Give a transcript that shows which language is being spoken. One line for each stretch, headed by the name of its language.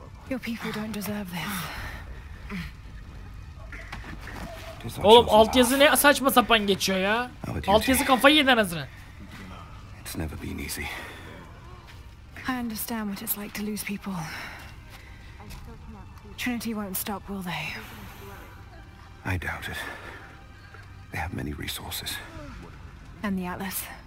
English: Your people don't deserve this.
Turkish: Oğlum altyazı ne saçma sapan geçiyor ya. Altyazı kafayı yedin hazır.
English: It's never been easy. I understand what it's like to lose people. Trinity won't stop, will they? I doubt it. They have many resources. And the Atlas?